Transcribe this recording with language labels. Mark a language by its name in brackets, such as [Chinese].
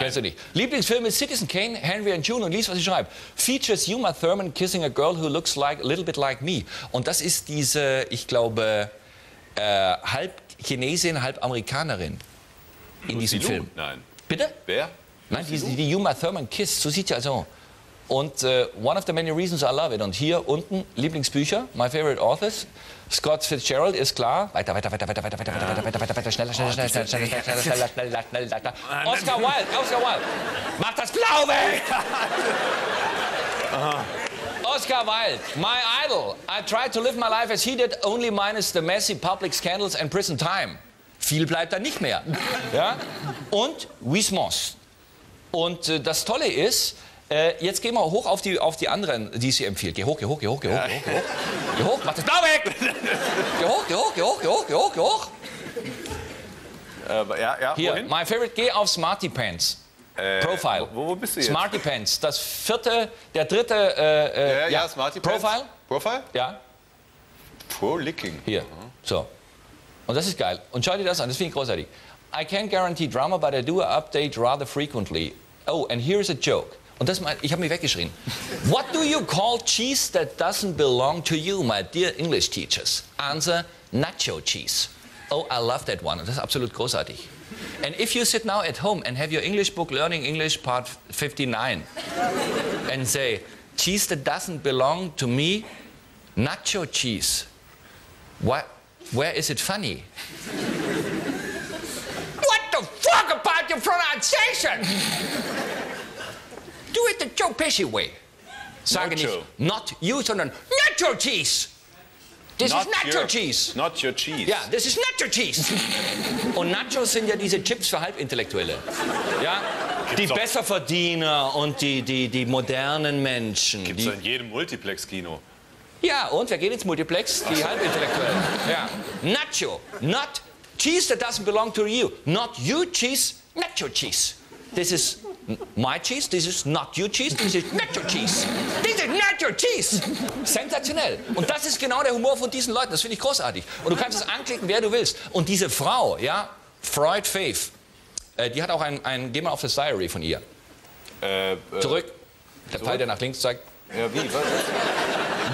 [German] Kennst du nicht. Lieblingsfilm ist Citizen Kane, Henry and June und lies, was ich schreibe. [English] Features Uma Thurman kissing a girl who looks like a little bit like me. [German] Und das ist diese, ich glaube, halb Chinesin, halb Amerikanerin in diesem Film. Nein. Bitte? Wer? Nein, die Uma Thurman Kiss, so sieht sie also. [English] Und one of the many reasons I love it. [German] Und hier unten Lieblingsbücher, [English] my favorite authors. [German] Scott Fitzgerald ist klar. Weiter, schneller. Oscar Wilde. Mach das blau weg! [English] Aha. Oscar Wilde, my idol. I tried to live my life as he did, only minus the messy public scandals and prison time. [German] Viel bleibt da nicht mehr. Ja? Und Wismos. Und das Tolle ist, jetzt gehen wir hoch auf die anderen, die sie empfiehlt. Geh hoch. Ja, hier, wohin? [English] My favorite, [German] geh auf Smarty Pants. Profile. Wo bist du jetzt? Smarty Pants, das vierte, der dritte. Ja, Smarty Profile. Pants. Profile? Ja. Pro Licking. Hier. Mhm. So. Und das ist geil. Und schau dir das an, das finde ich großartig. [English] I can't guarantee drama, but I do update rather frequently. Oh, and here's a joke. [German] Und das mein, ich habe mich weggeschrien. [English] What do you call cheese that doesn't belong to you, my dear English teachers? Answer, nacho cheese. Oh, I love that one. [German] Das ist absolut großartig. [English] And if you sit now at home and have your English book Learning English Part 59 and say, cheese that doesn't belong to me, nacho cheese. What? Where is it funny? What the fuck about your pronunciation? Do it the Joe Pesci way. [German] Sage nicht, [English] not you, [German] sondern [English] nacho cheese. This not is nacho cheese. Not your cheese. Yeah, this is nacho cheese. [German] Und Nachos sind ja diese Chips für Halbintellektuelle. Ja? Die Besserverdiener und die modernen Menschen. Gibt's in jedem Multiplex-Kino. Ja, und wir gehen ins Multiplex, die Halbintellektuellen. Ja. [English] Nacho, not cheese that doesn't belong to you. Not you cheese, nacho cheese. This is my cheese, this is not you cheese, this is nacho cheese. This is nacho cheese. [German] Sensationell. Und das ist genau der Humor von diesen Leuten, das finde ich großartig. Und du kannst es anklicken, wer du willst. Und diese Frau, ja, Freud Faith, die hat auch ein geh mal auf das Diary von ihr. Zurück, der Teil, der nach links zeigt. Ja, wie, was?